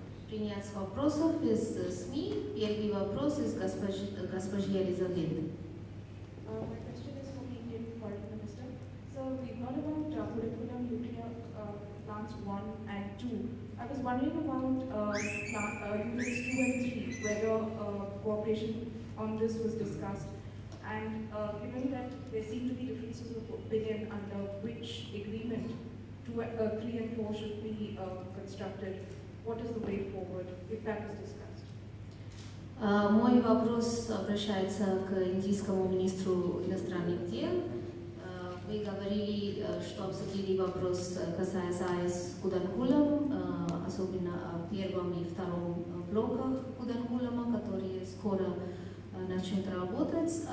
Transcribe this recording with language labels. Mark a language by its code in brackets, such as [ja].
[ru] Принять вопросов из СМИ. Первый вопрос из госпожи Елизаветы. [en] My question is from the Indian Foreign Minister. So we've heard about curriculum nuclear plants 1 and 2. I was wondering about units 2 and 3, whether cooperation on this was discussed. And given that there seem to be differences of opinion under which agreement 3 and 4 should be constructed, [ru] Мой вопрос обращается к индийскому министру иностранных дел. Вы говорили, что обсудили вопрос, касаясь АЭС Куданкулам, особенно в первом и втором блоках Куданкулама, которые скоро начнут работать.